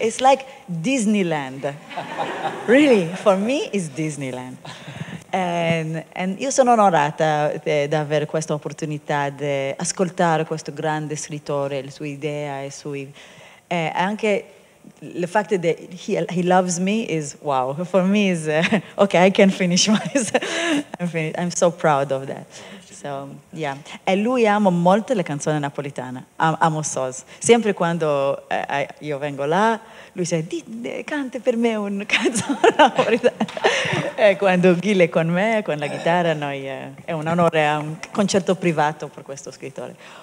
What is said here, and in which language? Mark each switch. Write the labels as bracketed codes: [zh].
[en] It's like Disneyland. Really, for me, it's Disneyland. [it] And io sono onorata di avere questa opportunità di ascoltare questo grande scrittore, le sue idee, le sue... anche il fatto che [en] he loves me is wow. For me is okay. I can finish I'm so proud of that. [it] So yeah. E lui ama molto le canzoni napoletane. Amo Soz. Sempre quando io vengo là, lui dice: canta per me un canzone napoletana. E quando Gil è con me con la chitarra, noi è un onore, è un concerto privato per questo scrittore.